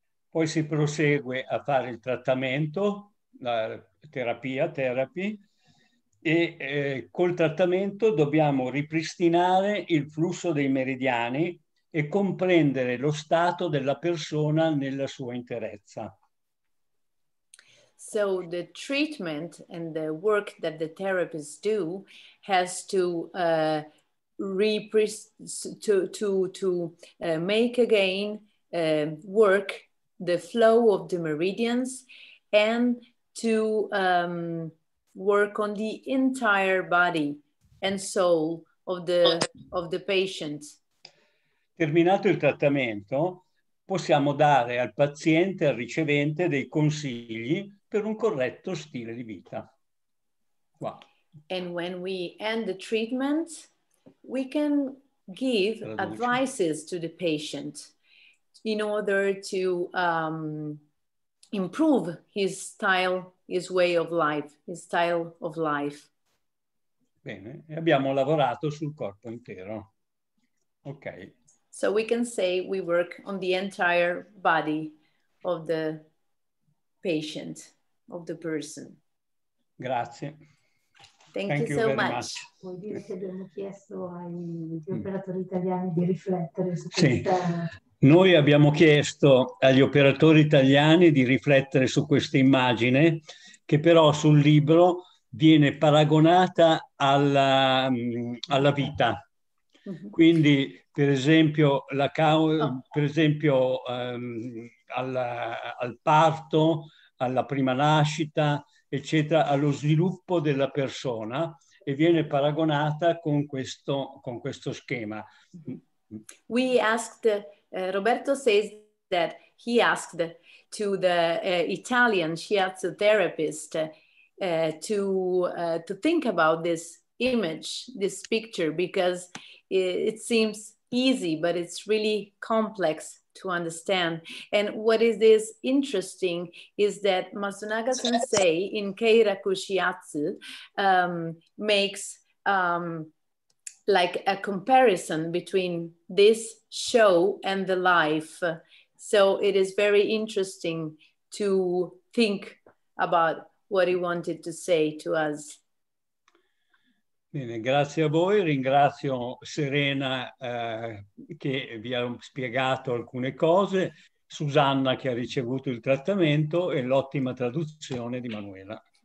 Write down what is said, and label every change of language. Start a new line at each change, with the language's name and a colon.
Italian: Poi si prosegue a fare il trattamento, la terapia, therapy, e col trattamento dobbiamo ripristinare il flusso dei meridiani e comprendere lo stato della persona nella sua interezza.
English: So the treatment and the work that the therapists do has to make again work the flow of the meridians and to work on the entire body and soul of the patient.
Italian: Terminato il trattamento, possiamo dare al paziente, al ricevente, dei consigli per un corretto stile di vita. Qua.
English: And when we end the treatment, we can give advices to the patient in order to improve his style, his way of life, his style of life.
Italian: Bene, e abbiamo lavorato sul corpo intero. Ok.
English: So we can say we work on the entire body of the patient, of the person.
Italian: Grazie.
English: Thank you so much.
Italian: Vuol dire che abbiamo chiesto agli operatori italiani di riflettere su questa... Sì. Noi abbiamo chiesto agli operatori italiani di riflettere su questa immagine, che però sul libro viene paragonata alla vita. Quindi, per esempio, al parto, alla prima nascita, eccetera, allo sviluppo della persona, e viene paragonata con questo schema.
English: We asked, Roberto says that he asked to the Italian shiatsu therapist to think about this image, this picture, because it seems easy, but it's really complex to understand. And what is interesting is that Masunaga sensei in Keiraku Shiatsu makes like a comparison between this show and the life. So it is very interesting to think about what he wanted to say to us.
Italian: Bene, grazie a voi, ringrazio Serena che vi ha spiegato alcune cose, Susanna che ha ricevuto il trattamento e l'ottima traduzione di Manuela.